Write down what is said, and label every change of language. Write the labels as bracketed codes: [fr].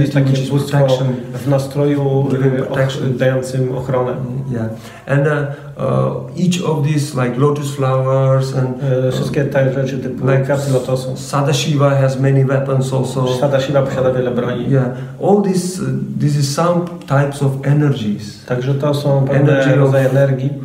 [pl] jest takie bóstwo w nastroju dającym ochronę. [en] Yeah. And each of these like lotus flowers and [pl] wszystkie te rzeczy typu [en] like [pl] karty lotosu. [en] Sadashiva has many weapons also. [pl] Sadashiva posiada wiele broni. [en] Yeah. All this is some types of energies. [pl] Także to są pewne rodzaje energii.